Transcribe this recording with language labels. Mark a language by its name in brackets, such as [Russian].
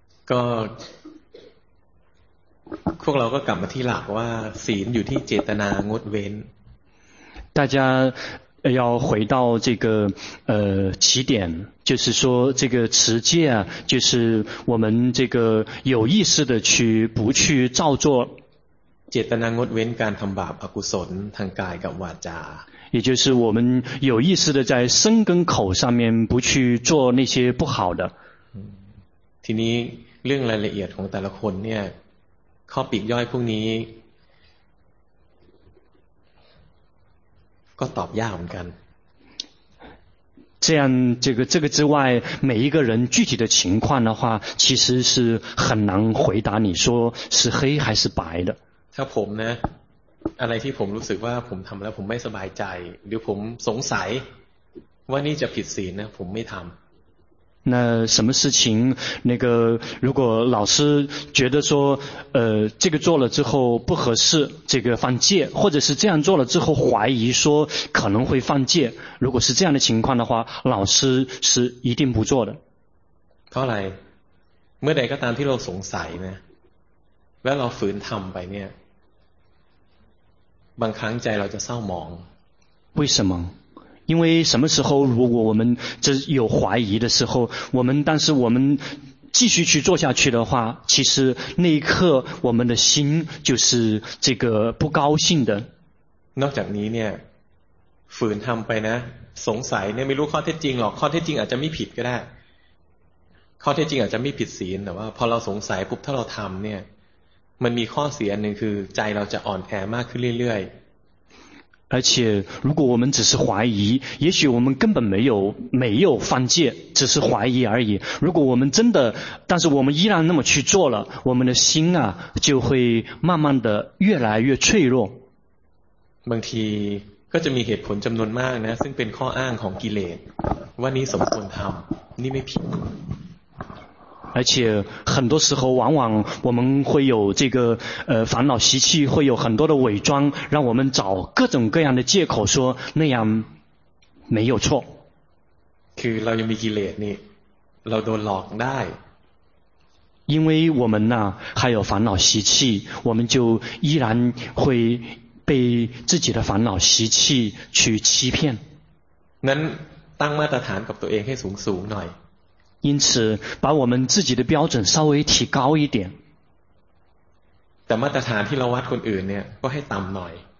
[Thai] ก็พวกเราก็กลับมาที่หลักว่าศีลอยู่ที่เจตนางดเว้น [Chinese] 大家要回到这个起点就是说这个持戒啊就是我们这个有意识的去不去造作 [Thai] เจตนางดเว้นการทำบาปอกุศลทางกายกับวาจา [Chinese] 也就是我们有意识的在身跟口上面不去做那些不好的 [Thai] ทีนี้เรื่องรายละเอียดของแต่ละคนเนี่ยข้อปีกย่อยพวกนี้ก็ตอบยากเหมือนกัน [Chinese] 这样这个之外每一个人具体的情况的话其实是很难回答你说是黑还是白的 [Thai] ถ้าผมนะอะไรที่ผมรู้สึกว่าผมทำแล้วผมไม่สบายใจหรือผมสงสัยว่านี่จะผิดศีลนะผมไม่ทำ [Chinese] 那什么事情那个如果老师觉得说这个做了之后不合适这个犯戒或者是这样做了之后怀疑说可能会犯戒如果是这样的情况的话老师是一定不做的 [Thai] เพราะอะไรเมื่อใดก็ตามที่เราสงสัยเนี่ยแล้วเราฝืนทำไปเนี่ยบางครั้งใจเราจะเศร้าหมอง [Chinese] 为什么因为什么时候如果我们这有怀疑的时候我们但是我们继续去做下去的话其实那一刻我们的心就是这个不高兴的 [Thai] นอกจากนี้เนี่ยฝืนทำไปนะสงสัยเนี่ยไม่รู้ข้อเท็จจริงหรอกข้อเท็จจริงอาจจะไม่ผิดก็ได้ข้อเท็จจริงอาจจะไม่ผิดศีลแต่ว่าพอเราสงสัยปุ๊บถ้าเราทำเนี่ยมันมีข้อเสียหนึ่งคือใจเราจะอ่อนแอมากขึ้นเรื่อยๆ [Chinese] 而且如果我们只是怀疑也许我们根本没有犯戒只是怀疑而已如果我们真的但是我们依然那么去做了我们的心啊就会慢慢的越来越脆弱 [Thai] บางทีก็จะมีเหตุผลจำนวนมากนะซึ่งเป็นข้ออ้างของกิเลสว่านี้สมควรทำนี่ไม่ผิด [Chinese] 而且很多时候往往我们会有这个烦恼习气会有很多的伪装让我们找各种各样的借口说那样没有错 [Thai] คือเรายังมีกิเลสนี่เราโดนหลอกได้ [Chinese] 因为我们呢还有烦恼习气我们就依然会被自己的烦恼习气去欺骗 [Thai] นั้นตั้งมาตรฐานกับตัวเองให้สูงสูงหน่อย [Chinese] 因此把我们自己的标准稍微提高一点 [Thai] แต่มาตรฐานที่เราวัดคนอื่นเนี่ยก็ให้ต่ำหน่อย